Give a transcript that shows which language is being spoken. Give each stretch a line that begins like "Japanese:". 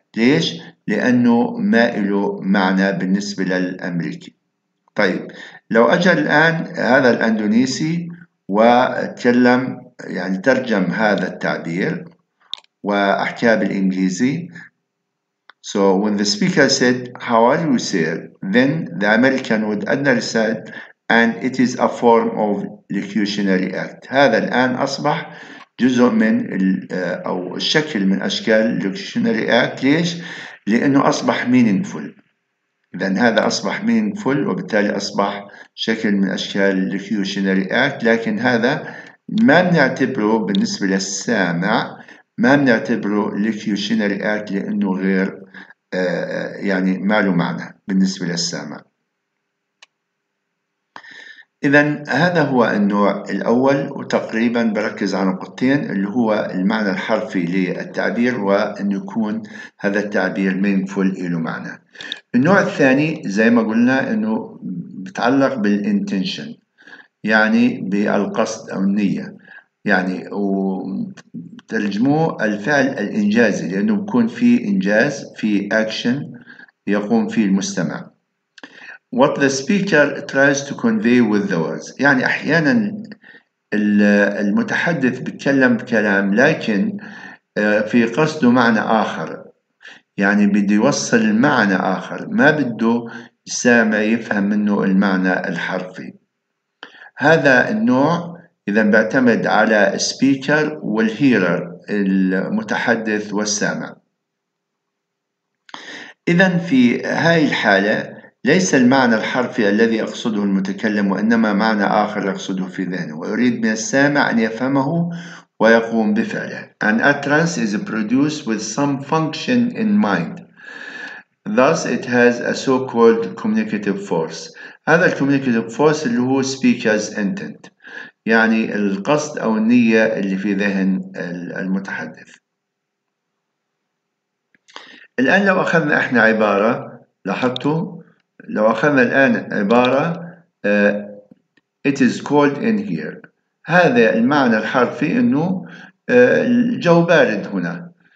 Arabic: ليش؟ لأنه ما له معنى بالنسبة للأمريكي. طيب لو أجى الآن هذا الأندونيسي وتكلم، يعني ترجم هذا التعبير وأحكاه بالإنجليزي،
English: So when the speaker said, how are you, sir? Then the American would understand and it is a form of locutionary act.
Arabic: هذا الآن أصبح جزء من أو الشكل من أشكال locutionary act. ليش؟ لأنه أصبح meaningful. إذن هذا أصبح meaningful وبالتالي أصبح شكل من أشكال locutionary act. لكن هذا ما بنعتبره بالنسبة للسامع ما بنعتبره locutionary act لأنه غير يعني ما له معنى بالنسبة للسامع. إذن هذا هو النوع الأول وتقريبا بركز على نقطتين اللي هو المعنى الحرفي للتعبير وأن يكون هذا التعبير meaningful له معنى. النوع الثاني زي ما قلنا أنه بتعلق بالintention يعني بالقصد أو النية يعني وترجموه الفعل الإنجازي لأنه بكون فيه إنجاز فيه action يقوم فيه المستمع.
English: What the speaker tries to convey with the words.
Arabic: يعني أحيانا المتحدث بيتكلم بكلام لكن في قصده معنى آخر يعني بده يوصل المعنى آخر ما بده السامع يفهم منه المعنى الحرفي. هذا النوع إذا بيعتمد على speaker والhearer المتحدث والسامع. إذا في هاي الحالة ليس المعنى الحرفي الذي أقصده المتكلم وإنما معنى آخر يقصده في ذهنه ويريد من السامع أن يفهمه ويقوم بفعله.
English: An utterance is produced with some function in mind. Thus it has a so-called communicative force.
Arabic: هذا communicative force اللي هو speaker's intent يعني القصد أو النية اللي في ذهن المتحدث. الآن لو أخذنا إحنا عبارة لاحظتوا لو أخذنا الآن عبارة
English: it is cold in here
Arabic: هذا المعنى الحرفي إنه الجو بارد هنا.